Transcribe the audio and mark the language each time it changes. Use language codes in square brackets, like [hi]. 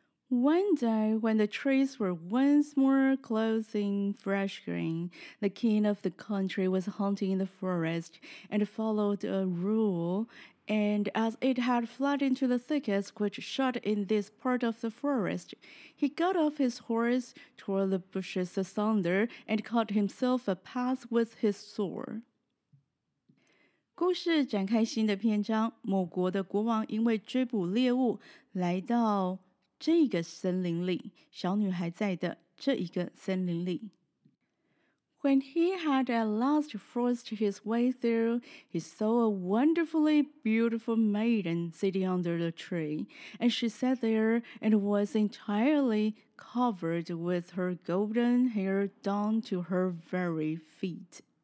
[en] One day, when the trees were once more clothing fresh green, the king of the country was hunting in the forest and followed a rule, and as it had fled into the thickest which shut in this part of the forest, he got off his horse, tore the bushes asunder, and cut himself a path with his sword. [zh] 故事展开新的篇章，某国的国王因为追捕猎物来到这个森林里，小女孩在的这一个森林里。 [en] When he had at last forced his way through, he saw a wonderfully beautiful maiden sitting under the tree, and she sat there and was entirely covered with her golden hair down to her very feet.